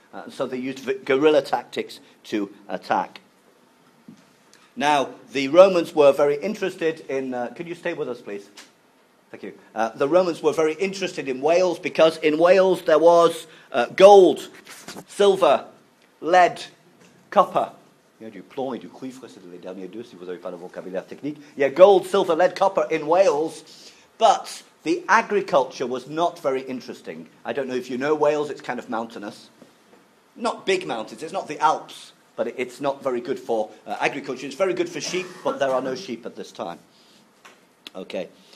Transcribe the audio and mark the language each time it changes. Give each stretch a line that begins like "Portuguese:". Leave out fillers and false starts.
English: So they used guerrilla tactics to attack. Now, the Romans were very interested in... could you stay with us, please? Thank you. The Romans were very interested in Wales because in Wales there was gold, silver, lead, copper.
French: Il y a du plomb et du cuivre, c'est les derniers deux, si vous n'avez pas le vocabulaire technique.
English: Yeah, gold, silver, lead, copper in Wales, but the agriculture was not very interesting. I don't know if you know Wales, it's kind of mountainous. Not big mountains, it's not the Alps, but it's not very good for agriculture. It's very good for sheep, but there are no sheep at this time. Okay.